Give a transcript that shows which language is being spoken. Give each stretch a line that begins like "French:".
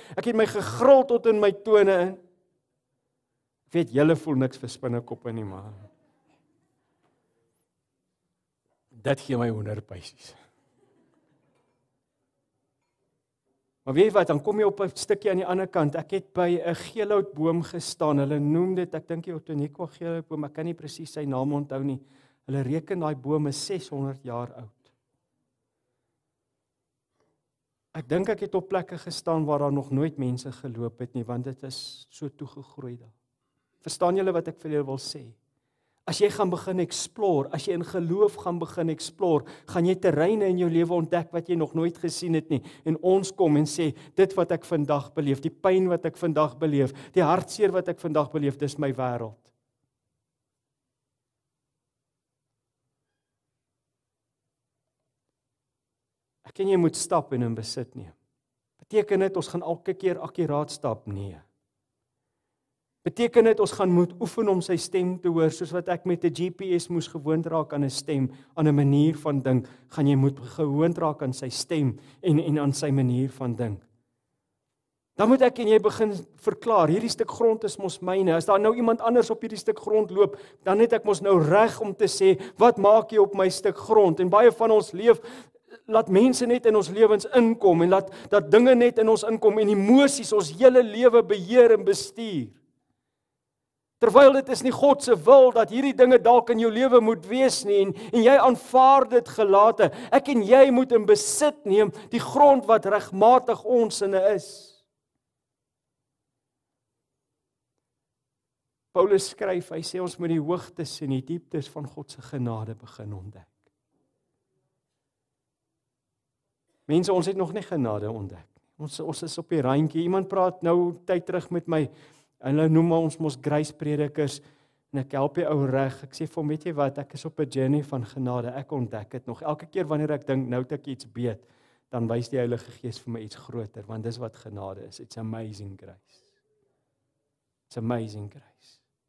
Afrikaans: Ek het my gegril tot in my tone in. Weet julle voel niks vir spinnekoppe nie, maar dit gee my wonderpaisies. Maar weet jy wat, dan kom jy op 'n stukkie aan die ander kant. Ek het by 'n geelhoutboom gestaan. Hulle noem dit, ek dink die Otoniqua geelhoutboom, ek kan nie presies sy naam onthou nie. Hulle reken daai boom is 600 jaar oud. Ek dink ek het op plekke gestaan waar daar nog nooit mense geloop het nie, want dit is so toegegroei daar. Verstaan julle wat ek vir julle wil sê? As jy gaan begin explore, as jy in geloof gaan begin explore, gaan jy terreine in jou lewe ontdek wat jy nog nooit gesien het nie. En ons kom en sê, dit wat ek vandag beleef, die pyn wat ek vandag beleef, die hartseer wat ek vandag beleef, dis my wêreld. Ek ken jy moet stap en in besit neem. Beteken dit ons gaan elke keer akkuraat stap? Nee. Beteken dit ons gaan moet oefen om sy stem te hoor, soos wat ek met 'n GPS moes gewoond raak aan 'n stem, aan 'n manier van dink, gaan jy moet gewoond raak aan sy stem en aan sy manier van dink. Dan moet ek en jy begin verklaar, hierdie stuk grond is mos myne. As daar nou iemand anders op hierdie stuk grond loop, dan het ek mos nou reg om te sê, wat maak jy op my stuk grond? En baie van ons leef, laat mense net in ons lewens inkom en laat dat dinge net in ons inkom en emosies ons hele lewe beheer en bestuur. Terwyl dit is nie God se wil dat hierdie dinge dalk in jou lewe moet wees nie en jy aanvaar dit gelate. Ek en jy moet in besit neem die grond wat regmatig onsinne is. Paulus skryf, hy sê ons moet die hoogtes en die dieptes van God se genade begin ontdek. Mense, ons het nog nie genade ontdek. Ons is op die randjie. Iemand praat nou tyd terug met my. Hulle noem ons mos grace predikers en ek help die ou reg. Ek sê vir hom, weet jy wat, ek is op 'n journey van genade. Ek ontdek dit nog. Elke keer wanneer ek dink nou het ek iets beet, dan wys die Heilige Gees vir my iets groter, want dis wat genade is.
English: It's amazing grace. It's amazing grace.